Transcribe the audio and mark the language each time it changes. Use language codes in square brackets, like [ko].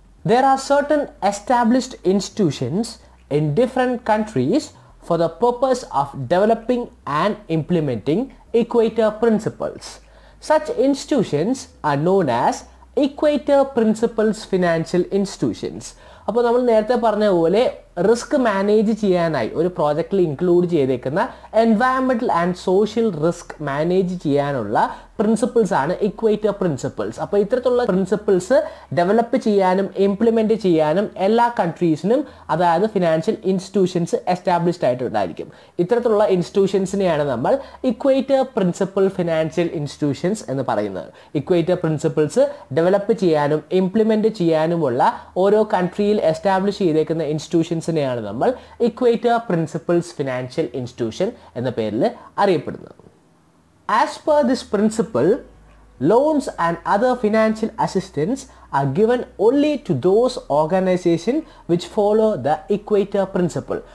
[en] There are certain established institutions in different countries for the purpose of developing and implementing equator principles. Such institutions are known as equator principles financial institutions. [ml] അപ്പോൾ നമ്മൾ നേരത്തെ പറഞ്ഞ പോലെ risk manage ചെയ്യാനായി ഒരു പ്രോജക്റ്റിൽ include ചെയ്തേക്കുന്ന environmental and social risk manage ചെയ്യാനുള്ള പ്രിൻസിപ്പിൾസ് ആണ് ഇക്വേറ്റർ പ്രിൻസിപ്പിൾസ്. അപ്പോൾ ഇത്തരത്തിലുള്ള പ്രിൻസിപ്പിൾസ് ഡെവലപ്പ് ചെയ്യാനും ഇംപ്ലിമെൻ്റ് ചെയ്യാനും എല്ലാ കൺട്രീസിനും, അതായത് ഫിനാൻഷ്യൽ ഇൻസ്റ്റിറ്റ്യൂഷൻസ് എസ്റ്റാബ്ലിഷ്ഡ് ആയിട്ടുണ്ടായിരിക്കും. ഇത്തരത്തിലുള്ള ഇൻസ്റ്റിറ്റ്യൂഷൻസിനെയാണ് നമ്മൾ ഇക്വേറ്റർ പ്രിൻസിപ്പിൾ ഫിനാൻഷ്യൽ ഇൻസ്റ്റിറ്റ്യൂഷൻസ് എന്ന് പറയുന്നത്. ഇക്വേറ്റർ പ്രിൻസിപ്പിൾസ് ഡെവലപ്പ് ചെയ്യാനും ഇംപ്ലിമെൻ്റ് ചെയ്യാനുമുള്ള ഓരോ കൺട്രിയിൽ എസ്റ്റാബ്ലിഷ് ചെയ്തേക്കുന്ന ഇൻസ്റ്റിറ്റ്യൂഷൻസിനെയാണ് നമ്മൾ ഇക്വേറ്റർ പ്രിൻസിപ്പിൾസ് ഫിനാൻഷ്യൽ ഇൻസ്റ്റിറ്റ്യൂഷൻ എന്ന പേരിൽ അറിയപ്പെടുന്നത്. [en] As per this principle, loans and other financial assistance are given only to those organizations which follow the equator principle.